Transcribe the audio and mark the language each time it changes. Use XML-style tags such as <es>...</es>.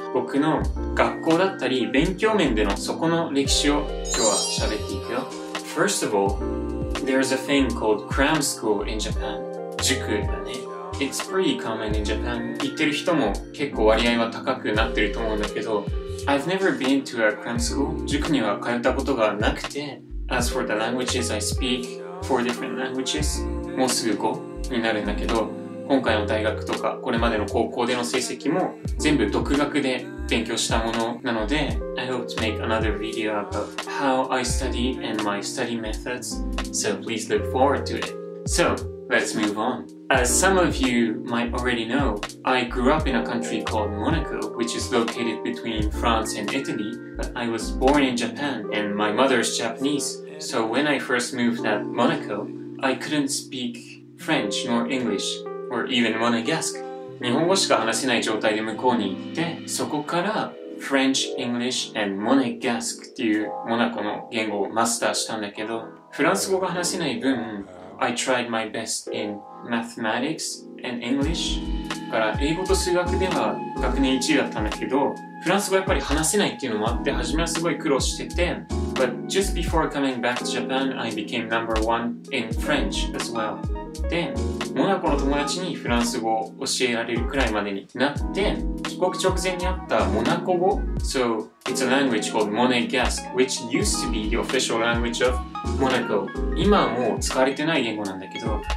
<ja>僕の学校だったり勉強面でのそこの歴史を今日は喋っていくよ。</ja> <en>First of all, there's a thing called cram school in Japan.</en> <ja>塾だね。</ja> <en>It's pretty common in Japan.</en> <ja>言ってる人も結構割合は高くなってると思うんだけど、</ja> <en>I've never been to a cram school.</en> <ja>塾には通ったことがなくて、</ja> <en>As for the languages I speak, 4 different languages.</en> <ja>もうすぐ5になるんだけど、今回の大学とかこれまでの高校での成績も全部独学で勉強したものなので、</ja> <en>I hope to make another video about how I study and my study methods. So please look forward to it. So let's move on. As some of you might already know, I grew up in a country called Monaco, which is located between France and Italy, but I was born in Japan and my mother is Japanese. So when I first moved at Monaco, I couldn't speak French nor English or even Monegasque.</en> <ja>日本語しか話せない状態で向こうに行って、そこから</ja> <en>French, English and Monegasque</en> <ja>っていうモナコの言語をマスターしたんだけど、フランス語が話せない分、</ja> <en>I tried my best in mathematics and English.</en> <ja>だから英語と数学では学年1位だったんだけど、フランス語やっぱり話せないっていうのもあって、初めはすごい苦労してて。</ja> <en>But just before coming back to Japan, I became number one in French as well.</en> <ja>で、モナコの友達にフランス語を教えられるくらいまでになって、帰国直前にあったモナコ語。</ja> <en>So it's a language called Monegasque, which used to be the official language of Monaco.</en> <ja>今はもう使われてない言語なんだけど、</ja>